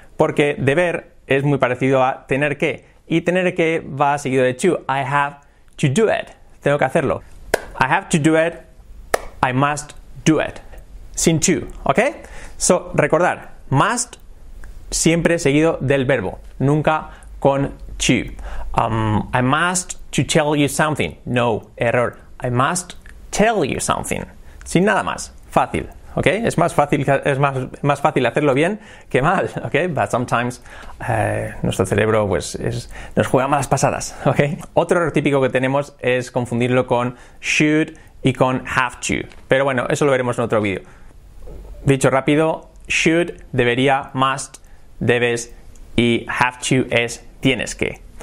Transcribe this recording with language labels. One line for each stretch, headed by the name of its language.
Spanish: Porque deber es muy parecido a tener que. Y tener que va seguido de to.
English: I have to do it.
Spanish: Tengo que hacerlo.
English: I have to do it. I must do it. Sin to. ¿Ok? So, recordar.
Spanish: Must siempre seguido del verbo. Nunca con to.
English: I must to tell you something. No, error. I must tell you something.
Spanish: Sin nada más. Fácil. ¿Ok? Es más fácil, es más fácil hacerlo bien que mal. ¿Ok?
English: But sometimes
Spanish: nuestro cerebro pues nos juega malas pasadas. ¿Ok? Otro error típico que tenemos es confundirlo con should y con have to. Pero bueno, eso lo veremos en otro vídeo. Dicho rápido, should, debería, must, debes y have to es tienes que.